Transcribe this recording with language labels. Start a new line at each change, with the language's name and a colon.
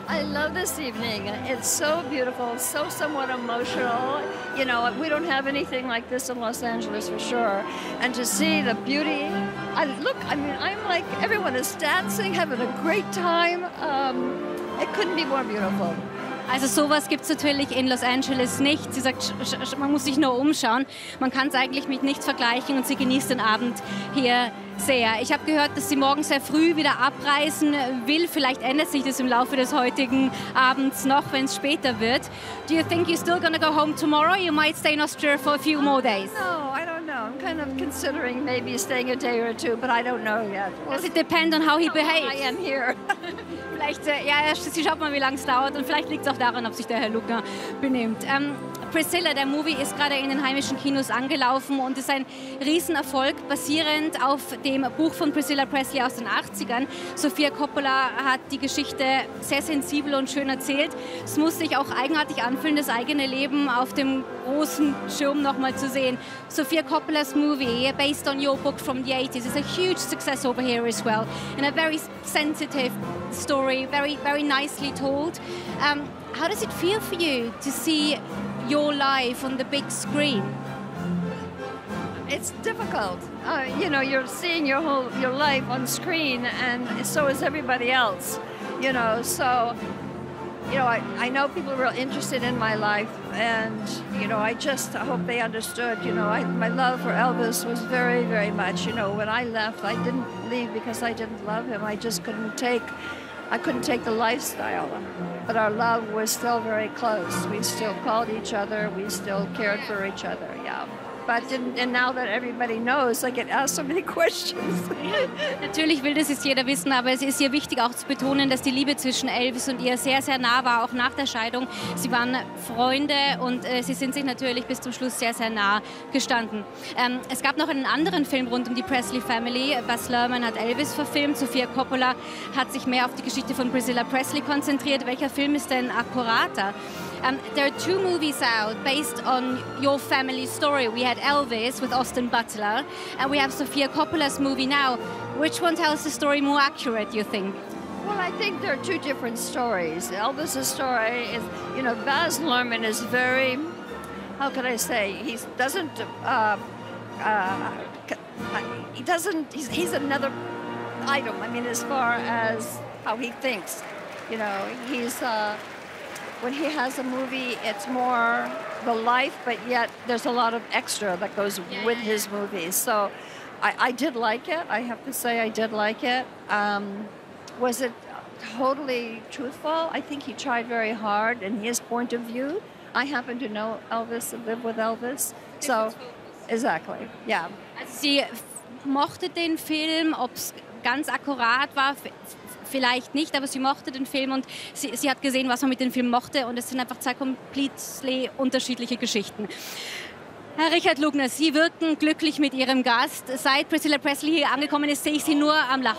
English: I love this evening. It's so beautiful, so somewhat emotional. You know, we don't have anything like this in Los Angeles for sure. And to see the beauty, I'm like, everyone is dancing, having a great time. It couldn't be more beautiful.
German: Also sowas gibt es natürlich in Los Angeles nicht. Sie sagt, man muss sich nur umschauen. Man kann es eigentlich mit nichts vergleichen und sie genießt den Abend hier sehr. Ich habe gehört, dass sie morgen sehr früh wieder abreisen will. Vielleicht ändert sich das im Laufe des heutigen Abends noch, wenn es später wird.
English: Do you think you're still gonna go home tomorrow? You might stay in Austria for a few more days. No, I'm kind of considering maybe staying a day or two, but I don't know yet. Does it depend on how he behaves? I am here.
German: Vielleicht, ja, sie schaut mal, wie lange es dauert und vielleicht liegt es auch daran, ob sich der Herr Lugner benimmt. Priscilla, der Movie ist gerade in den heimischen Kinos angelaufen und ist ein Riesenerfolg, basierend auf dem Buch von Priscilla Presley aus den 80ern. Sofia Coppola hat die Geschichte sehr sensibel und schön erzählt. Es muss sich auch eigenartig anfühlen, das eigene Leben auf dem großen Schirm nochmal zu sehen.
English: Sofia Coppola's movie, based on your book from the 80s, is a huge success over here as well. And a very sensitive story, very, very nicely told. How does it feel for you to see your life on the big screen? It's difficult. You know, you're seeing your whole your life on screen, and so is everybody else. You know, so, you know, I know people are real interested in my life, and, you know, I just hope they understood. You know, my love for Elvis was very, very much, you know, when I left, I didn't leave because I didn't love him. I just couldn't take, I couldn't take the lifestyle. But our love was still very close. We still called each other. We still cared for each other. Yeah. But and now that everybody knows, I get asked so many questions.
German: Natürlich will das jetzt jeder wissen, aber es ist hier wichtig auch zu betonen, dass die Liebe zwischen Elvis und ihr sehr, sehr nah war, auch nach der Scheidung. Sie waren Freunde und sie sind sich natürlich bis zum Schluss sehr, sehr nah gestanden. Es gab noch einen anderen Film rund um die Presley Family. Baz Luhrmann hat Elvis verfilmt, Sofia Coppola hat sich mehr auf die Geschichte von Priscilla Presley konzentriert. Welcher Film ist denn akkurater?
English: There are two movies out based on your family story. We had Elvis with Austin Butler, and we have Sofia Coppola's movie now. Which one tells the story more accurate, you think? Well, I think there are two different stories. Elvis' story is, you know, Baz Luhrmann is very, how can I say, he's another item, I mean, as far as how he thinks. You know, he's... when he has a movie, it's more the life, but yet there's a lot of extra that goes with his movies. So I did like it. I have to say I did like it. Was it totally truthful? I think he tried very hard in his point of view. I happen to know Elvis and live with Elvis. So exactly, yeah.
German: Sie mochte den Film, ob es ganz akkurat war, vielleicht nicht, aber sie mochte den Film und sie hat gesehen, was man mit dem Film mochte, und es sind einfach zwei komplett unterschiedliche Geschichten. Herr Richard Lugner, Sie wirken glücklich mit Ihrem Gast. Seit Priscilla Presley hier angekommen ist, sehe ich Sie nur am Lachen.